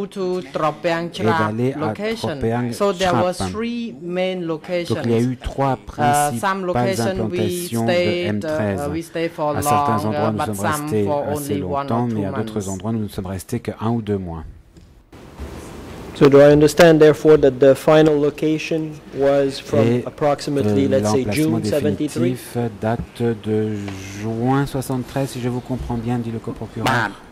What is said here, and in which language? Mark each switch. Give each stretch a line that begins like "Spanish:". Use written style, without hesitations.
English: to Tropeang
French: et d'aller location. À Tropeang
English: so there was three main locations.
French: Donc il y a eu trois principales implantations de M13. À certains endroits, nous sommes restés assez longtemps, mais à d'autres endroits, nous ne sommes restés que un ou deux mois.
English: So do I understand, therefore, that the final location was from approximately, let's say, June 73?
French: Date de juin 73, si je vous comprends bien, dit le coprocureur.